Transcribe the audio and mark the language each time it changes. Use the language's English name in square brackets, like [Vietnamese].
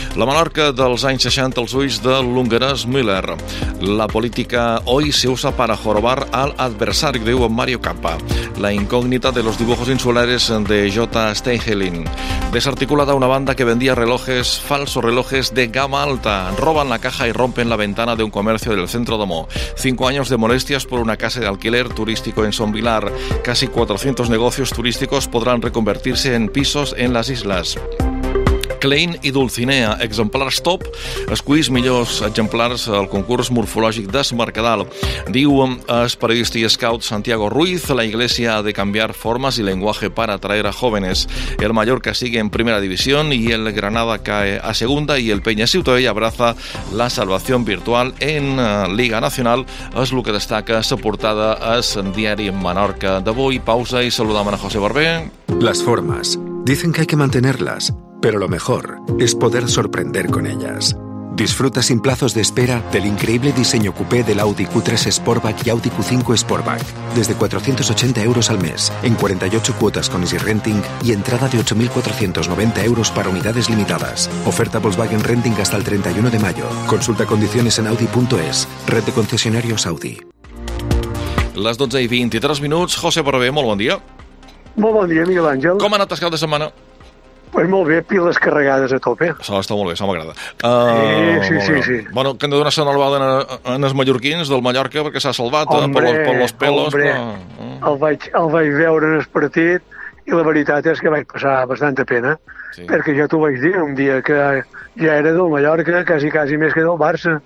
[Catalan] La Menorca dels anys 60, els ulls de l'hongarès Müller. [Spanish] La política hoy se usa para jorobar al adversario, [Catalan] diu Mario Capa. [Spanish] La incógnita de los dibujos insulares de J. Stegelin. Desarticulada una banda que vendía relojes, falsos relojes de gama alta. Roban la caja y rompen la ventana de un comercio del centro de Mo. 5 años de molestias por una casa de alquiler turístico en Son Vilar. Casi 400 negocios turísticos podrán reconvertirse en pisos en las islas. [Catalan] Klein i Dulcinea, exemplars top, escollits millors exemplars al concurs morfològic d'Es Mercadal. Diu el periodista i scout [Spanish] Santiago Ruiz, la iglesia ha de cambiar formas y lenguaje para atraer a jóvenes. El Mallorca sigue en primera división y el Granada cae a segunda y el Peña Ciutadella abraza la salvación virtual en Liga Nacional. [Catalan] És el que destaca la portada al diari Menorca d'avui. Pausa i saludam a José Barbé. [Spanish] Las formas, dicen que hay que mantenerlas. Pero lo mejor es poder sorprender con ellas. Disfruta sin plazos de espera del increíble diseño coupé del Audi Q3 Sportback y Audi Q5 Sportback. Desde 480 euros al mes, en 48 cuotas con Easy Renting y entrada de 8.490 euros para unidades limitadas. Oferta Volkswagen Renting hasta el 31 de mayo. Consulta condiciones en audi.es. Red de concesionarios Audi. Las 12 y 23 minutos. José Barbé, muy buen día. Muy buen día, Miguel Ángel. ¿Cómo han atascado de semana? [Catalan] Pues molt bé, piles carregades a tope. Això està molt bé, això m'agrada. Sí. Bueno, que hem de donar salvada en els mallorquins del Mallorca perquè s'ha salvat, hombre, per les pelos. Hombre, el vaig veure en el partit i la veritat és que vaig passar bastanta pena, sí. Perquè jo t'ho vaig dir un dia que ja era del Mallorca, quasi més que del Barça,